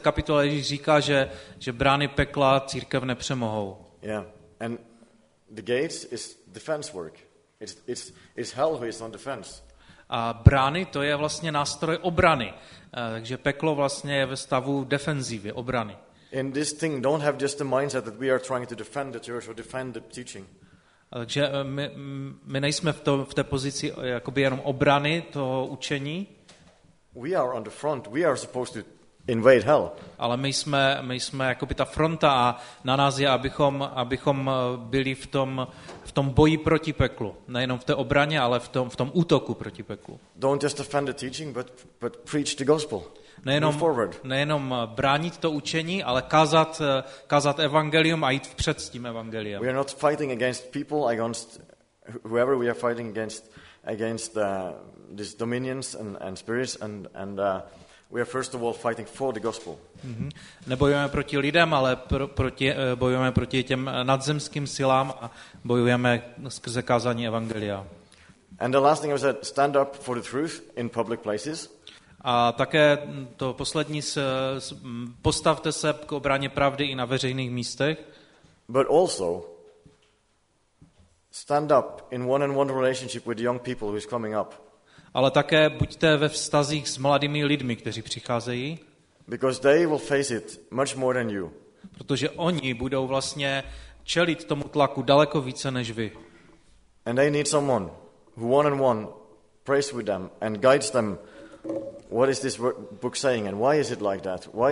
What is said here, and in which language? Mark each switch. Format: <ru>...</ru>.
<cs>kapitole Ježíš říká, že brány pekla církev nepřemohou.</cs> <en>Yeah. And the gates is defense work. It's hell who is on defense.</en> <cs>A brány, to je vlastně nástroj obrany. Takže peklo vlastně je ve stavu defenzívy, obrany.</cs> <en>In this thing don't have just the mindset that we are trying to defend the church or defend the teaching.</en> <cs>Takže my nejsme v té pozici jakoby jenom obrany toho učení.</cs> <en>We are on the front. We are supposed to invade hell.</en> <cs>Ale my jsme jakoby ta fronta a na nás je, abychom byli v tom boji proti peklu. Nejenom v té obraně, ale v tom útoku proti peklu.</cs> <en>Don't just defend the teaching, but preach the gospel.</en> <cs>Nejenom bránit to učení, ale kázat evangelium a jít vpřed s tím evangeliem.</cs> <en>We are not fighting against people, against whoever we are fighting against these dominions and spirits we are first of all fighting for the gospel. Mm-hmm.</en> <cs>Nebojujeme proti lidem, ale bojujeme proti těm nadzemským silám a bojujeme skrze kázání evangelia.</cs> <en>And the last thing is that stand up for the truth in public places.</en> <cs>A také to poslední, postavte se k obraně pravdy i na veřejných místech.</cs> <en>But also stand up in one-on-one relationship with young people who is coming up.</en> <cs>Ale také buďte ve vztazích s mladými lidmi, kteří přicházejí.</cs> <en>Because they will face it much more than you.</en> <cs>Protože oni budou vlastně čelit tomu tlaku daleko více než vy.</cs> <en>And they need someone who one-on-one prays with them and guides them. What is this book saying and why is it like that?</en>